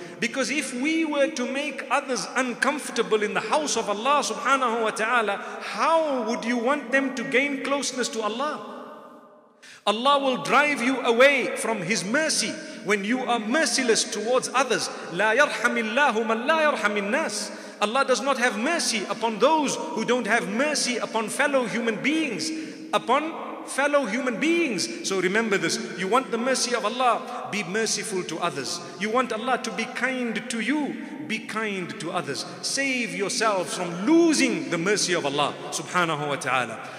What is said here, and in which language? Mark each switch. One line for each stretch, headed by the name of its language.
English: Because if we were to make others uncomfortable in the house of Allah subhanahu wa ta'ala, how would you want them to gain closeness to Allah? Allah will drive you away from His mercy when you are merciless towards others.
Arabic: لا يرحم الله من لا يرحم الناس.
English: Allah does not have mercy upon those who don't have mercy upon fellow human beings. Upon fellow human beings. So remember this. You want the mercy of Allah, be merciful to others. You want Allah to be kind to you, be kind to others. Save yourself from losing the mercy of Allah subhanahu wa ta'ala.